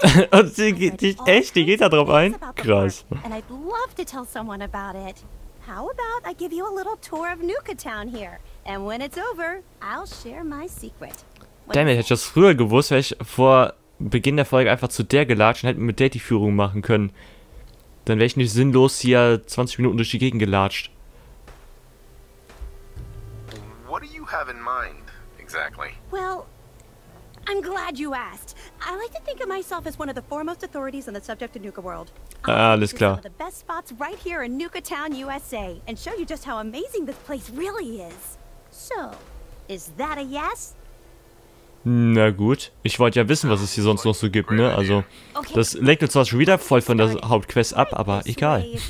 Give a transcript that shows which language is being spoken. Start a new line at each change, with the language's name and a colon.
German: Und sie geht, die geht da drauf ein? Krass.
English: And I'd love to tell someone about it. How about I give you a little tour of Nuka-Town here? And when it's over, I'll share my secret. Damn it,
German: hätte ich das früher gewusst, wäre ich vor Beginn der Folge einfach zu der gelatscht und hätte mit der die Führung machen können. Dann wäre ich nicht sinnlos hier 20 Minuten durch die Gegend gelatscht.
English: What do you have in mind, exactly? Well, I'm glad you asked. I like to think of myself as one of the foremost authorities on the subject of Nuka World.
German: Alles klar.
English: The best spots right here in Nuka Town, USA, and show you just how amazing this place really is. So, is that a yes?
German: Na gut, ich wollte ja wissen, was es hier sonst noch so gibt, ne? Also, das lenkt uns zwar schon wieder voll von der Hauptquest ab, aber egal.